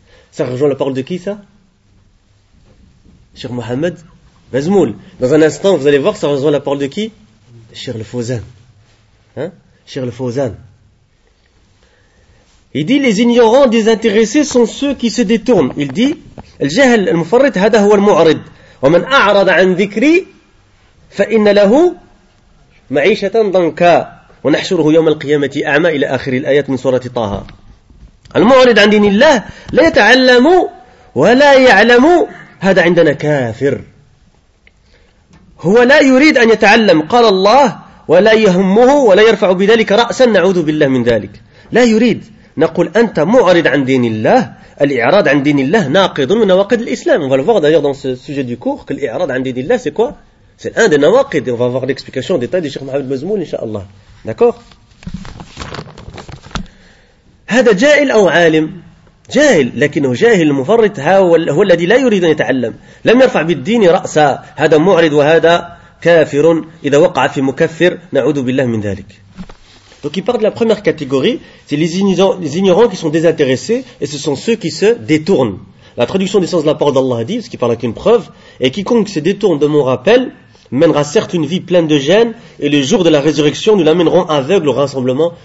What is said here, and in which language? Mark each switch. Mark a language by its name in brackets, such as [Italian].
[French] Ça rejoint la parole de qui, ça? Cheikh Mohamed Mazmoul. Dans un instant, vous allez voir, ça rejoint la parole de qui? Cheikh Al-Fawzan. Hein? Cheikh Al-Fawzan. Il dit, les ignorants désintéressés sont ceux qui se détournent. Il dit, [Arabic] الجهل المفرط هذا هو المعرض ومن أعرض عن ذكري فإن له معيشة ضنكا ونحشره يوم القيامة أعمى إلى آخر الآيات من سورة طه. المعرض عن دين الله لا يتعلم ولا يعلم، هذا عندنا كافر، هو لا يريد أن يتعلم. قال الله ولا يهمه ولا يرفع بذلك رأسا، نعوذ بالله من ذلك، لا يريد. نقول أنت معرض عن دين الله، الإعراض عن دين الله ناقض من نواقض الإسلام. [French] On va le voir d'ailleurs dans ce sujet du cours que l' [Arabic] i'rad 'an dinillah [French] c'est quoi? C'est un des nawaqid. On va voir l'explication détaillée du Cheikh Mohamed Mazmoul inchallah. D'accord? [Arabic] هذا جاهل أو عالم؟ جاهل، لكنه جاهل المفرط، هو الذي لا يريد أن يتعلم، لم يرفع بالدين رأسا، هذا معرض وهذا كافر، إذا وقع في مكفر نعوذ بالله من ذلك. [French] Donc il parle de la première catégorie, c'est les ignorants qui sont désintéressés, et ce sont ceux qui se détournent. La traduction des sens de la parole d'Allah dit, ce qui parle avec une preuve, et quiconque se détourne de mon rappel mènera certes une vie pleine de gêne, et le jour de la résurrection nous l'amèneront aveugle au rassemblement.